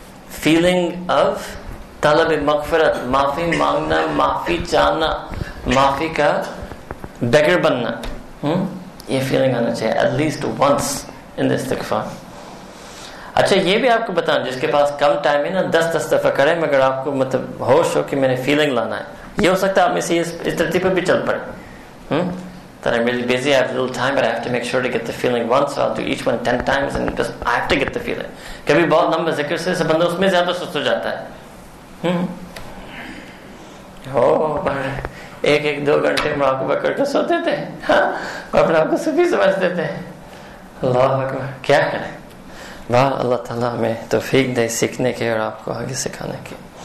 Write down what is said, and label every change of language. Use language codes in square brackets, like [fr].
[en] Feeling of [ur] طلب مغفرت, معافی مانگنا, معافی چاہنا, معافی کا بگر بننا, یہ فیلنگ آنا چاہیے [en] at least once in this [ur] استغفار. اچھا یہ بھی آپ کو بتانا, جس کے پاس کم ٹائم ہے نا, 10 دفعہ کرے, مگر آپ کو مطلب ہوش ہو کہ میں نے فیلنگ لانا ہے. یہ ہو سکتا ہے آپ میں سے اس ترتیب پہ بھی چل پڑے, [en] that I'm really busy, I have little time, but I have to make sure to get the feeling once, so I'll do each one 10 times, and just, I have to get the feeling. [ur] کبھی بہت لمبا ذکر سے بندہ اس میں زیادہ سست ہو جاتا ہے. ایک ایک دو گھنٹے ہم آپ کو پکڑ کے سوتے تھے, ہاں, اپنے آپ کو صفی سمجھتے تھے. اللہ اکبر, کیا کریں, واہ, اللہ تعالیٰ ہمیں توفیق دے سیکھنے کے اور آپ کو آگے سکھانے کے.